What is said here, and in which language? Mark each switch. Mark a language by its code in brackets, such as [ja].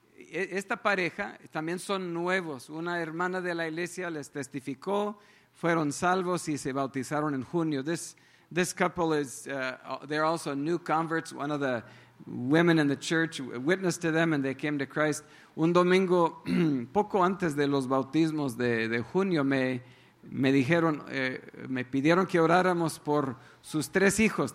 [es] Esta pareja también son nuevos. Una hermana de la iglesia les testificó, fueron salvos y se bautizaron en junio. [en] This couple is—they're also new converts. One of the women in the church witnessed to them, and they came to Christ. [es] Un domingo, poco antes de los bautismos de junio, me pidieron que oráramos por sus tres hijos.